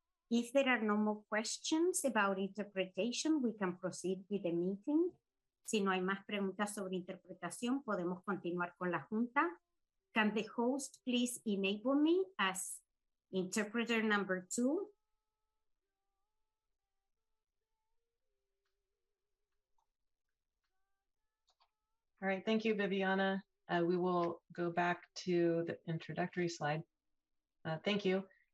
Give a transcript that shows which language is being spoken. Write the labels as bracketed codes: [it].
[en] If there are no more questions about interpretation, we can proceed with the meeting. [es] Si no hay más preguntas sobre interpretación, podemos continuar con la junta. [en] Can the host please enable me as interpreter number two? All right, thank you, Viviana. We will go back to the introductory slide. Thank you.